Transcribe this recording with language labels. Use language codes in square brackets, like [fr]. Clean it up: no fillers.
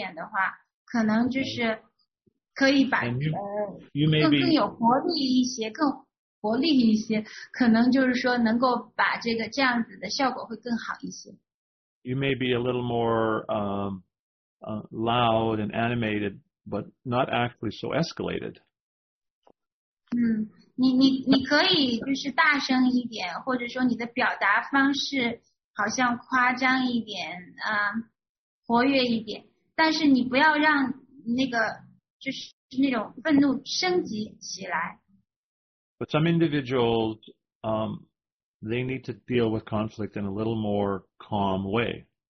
[zh] 就是说两个人要是在这个冲突或这之间他们能够变得更加的轻松活跃一点灵活一点的话可能就是 可以把更有活力一些，更活力一些，可能就是说能够把这个这样子的效果会更好一些。 [en] You may be a little more loud and animated, but not actually so escalated. [zh] 你可以就是大声一点，或者说你的表达方式好像夸张一点，活跃一点，但是你不要让那个就是那种愤怒升级起来。 [en] But some individuals, they need to deal with conflict in a little more calm way.